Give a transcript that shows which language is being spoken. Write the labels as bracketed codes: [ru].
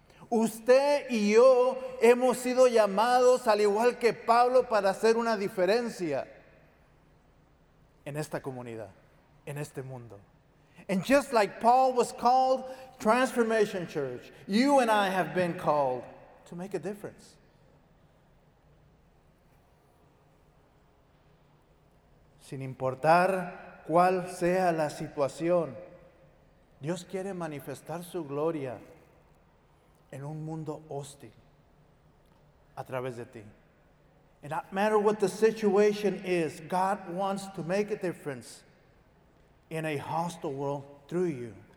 [es] Usted y yo hemos sido llamados, al igual que Pablo, para hacer una diferencia en esta comunidad, en este mundo. [en] And just like Paul was called Transformation Church, you and I have been called to make a difference. [es] Sin importar cuál sea la situación, Dios quiere manifestar su gloria en un mundo hostil a través de ti. [en] And no matter what the situation is, God wants to make a difference in a hostile world through you.